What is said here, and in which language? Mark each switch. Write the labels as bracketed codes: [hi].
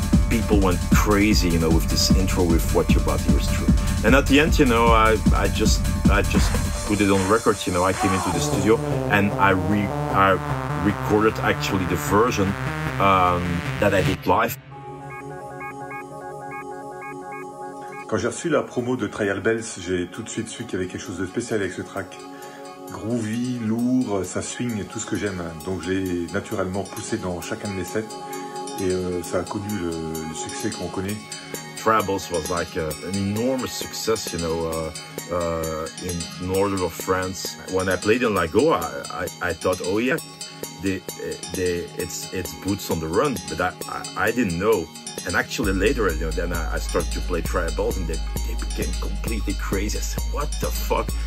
[en] People went crazy, you know, with this intro, with what you're about to hear is true. And at the end, you know, I just put it on record, you know. I came into the studio and I recorded actually the version that I did live. [fr] Quand j'ai reçu la promo de Trial Bells, j'ai tout de suite su qu'il y avait quelque chose de spécial avec ce track. Groovy, lourd, ça swing, tout ce que j'aime. Donc j'ai naturellement poussé dans chacun de mes sets. Et ça a connu le succès qu'on connaît. [en] Travels was like an enormous success, you know, in northern of France. When I played in Lago, I thought, oh yeah, it's boots on the run. But I didn't know. And actually later, you know, then I started to play Travels, and they became completely crazy. I said, what the fuck?